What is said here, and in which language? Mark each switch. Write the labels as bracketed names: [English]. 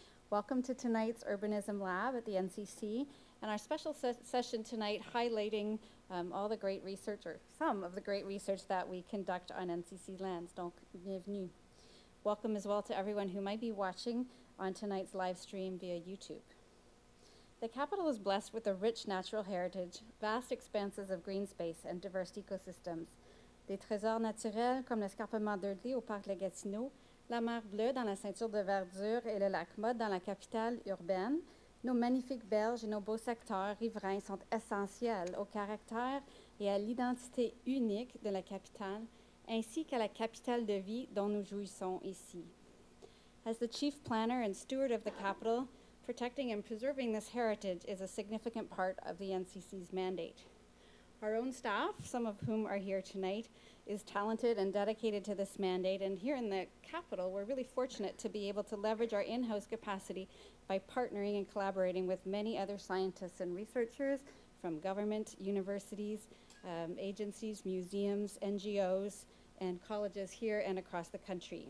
[English] Welcome to tonight's Urbanism Lab at the NCC and our special session tonight highlighting all the great research, or some of the great research that we conduct on NCC lands. [French] Donc, bienvenue. [English] Welcome as well to everyone who might be watching on tonight's live stream via YouTube. The capital is blessed with a rich natural heritage, vast expanses of green space, and diverse ecosystems. [French] Des trésors naturels comme l'escarpement d'Eudley au Parc de Gatineau, la mer bleue dans la ceinture de verdure et le lac Mott dans la capitale urbaine, nos magnifiques berges et nos beaux secteurs riverains sont essentiels au caractère et à l'identité unique de la capitale, ainsi qu'à la capitale de vie dont nous jouissons ici. [English] As the chief planner and steward of the capital, protecting and preserving this heritage is a significant part of the NCC's mandate. Our own staff, some of whom are here tonight, is talented and dedicated to this mandate, and here in the capital, we're really fortunate to be able to leverage our in-house capacity by partnering and collaborating with many other scientists and researchers from government, universities, agencies, museums, NGOs, and colleges here and across the country.